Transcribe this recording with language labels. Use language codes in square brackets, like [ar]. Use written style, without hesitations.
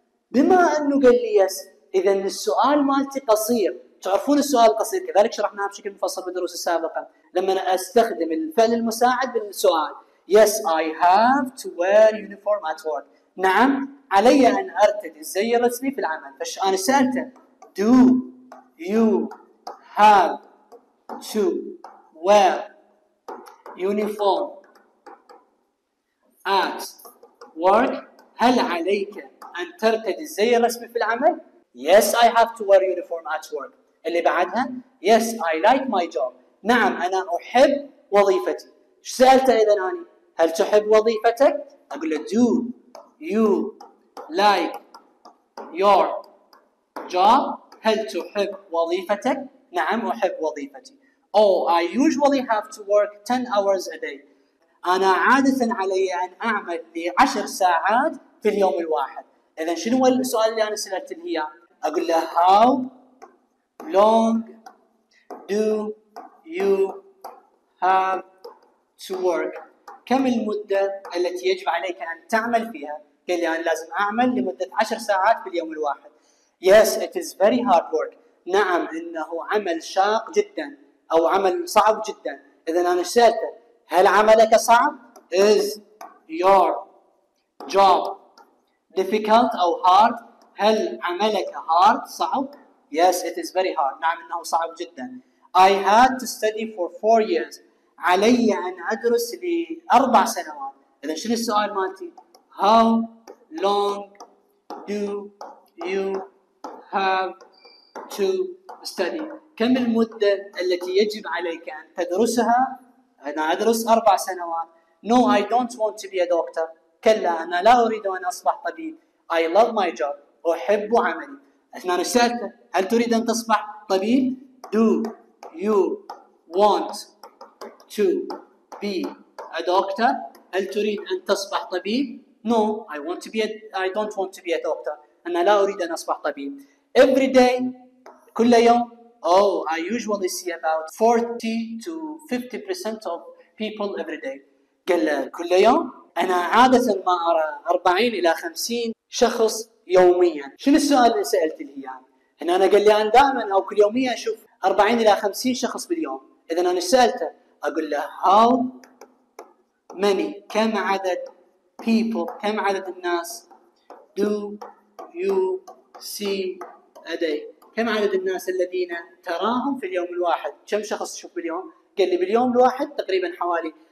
[ar] بما أنه قال لي yes، إذا السؤال مالتي قصير. تعرفون السؤال القصير كذلك شرحناه بشكل مفصل بالدروس السابقة، لما أنا أستخدم الفعل المساعد بالسؤال. [en] Yes I have to wear uniform at work، [ar] نعم علي أن أرتدي الزي الرسمي في العمل. فش أنا سألته [en] Do you have to wear uniform at work؟ [ar] هل عليك أن ترتدي الزي الرسمي في العمل؟ [en] Yes I have to wear uniform at work. [ar] اللي بعدها [en] Yes I like my job، [ar] نعم أنا أحب وظيفتي. شو سألت إذن أنا؟ هل تحب وظيفتك؟ أقول له [en] Do you like your job؟ [ar] هل تحب وظيفتك؟ نعم أحب وظيفتي. [en] Oh, I usually have to work 10 hours a day. [ar] أنا عادة علي أن أعمل لعشر ساعات في اليوم الواحد. إذا شنو السؤال اللي أنا سألت هي؟ أقول له [en] How long do you have to work؟ [ar] كم المدة التي يجب عليك أن تعمل فيها؟ قال لي أنا لازم أعمل لمدة عشر ساعات في اليوم الواحد. [en] Yes, it is very hard work. [ar] نعم إنه عمل شاق جدا أو عمل صعب جدا. إذا أنا سألته هل عملك صعب؟ [en] Is your job difficult [ar] أو hard؟ هل عملك hard صعب؟ [en] Yes, it is very hard. [ar] نعم إنه صعب جدا. [en] I had to study for 4 years. [ar] علي أن أدرس لأربع سنوات. إذا شنو السؤال مالتي؟ [en] How long do you have to study؟ [ar] كم المدة التي يجب عليك أن تدرسها؟ أنا أدرس أربع سنوات. [en] No I don't want to be a doctor. [ar] كلا أنا لا أريد أن أصبح طبيب. [en] I love my job. [ar] أحب عملي. أثناء سألته هل تريد أن تصبح طبيب؟ [en] Do you want to be a doctor؟ [ar] هل تريد أن تصبح طبيب؟ [en] No I want to be a... I don't want to be a doctor. [ar] أنا لا أريد أن أصبح طبيب. [en] Every day [ar] كل يوم [en] Oh, I usually see about 40 to 50% of people every day. [ar] قال كل يوم أنا عادة ما أرى 40 إلى 50 شخص يوميا. شنو السؤال اللي سألت لي يعني؟ هنا أنا قال لي أنا دائما أو كل يوميا أشوف 40 إلى 50 شخص باليوم. إذا أنا سألته أقول له [en] how many [ar] كم عدد people كم عدد الناس [en] do you see a day [ar] كم عدد الناس الذين تراهم في اليوم الواحد كم شخص تشوف باليوم قال لي باليوم الواحد تقريبا حوالي